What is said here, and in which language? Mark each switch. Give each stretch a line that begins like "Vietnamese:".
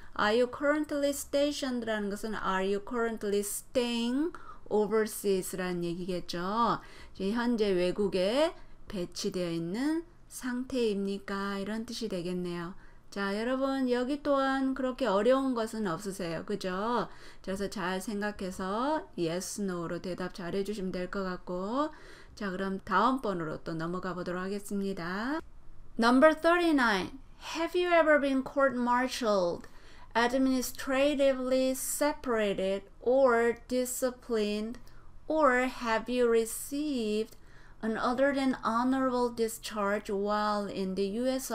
English: Are you currently stationed라는 것은 Are you currently staying overseas라는 얘기겠죠.
Korean: 현재 외국에 배치되어 있는 상태입니까? 이런 뜻이 되겠네요. 자, 여러분 여기 또한 그렇게 어려운 것은 없으세요. 그죠? 그래서 잘 생각해서 yes, no로 대답 잘 해주시면 될 것 같고 자, 그럼 다음번으로 또 넘어가 보도록 하겠습니다.
English: Number 39. Have you ever been court-martialed, administratively separated, or disciplined, or have you received an other than honorable discharge while in the U.S.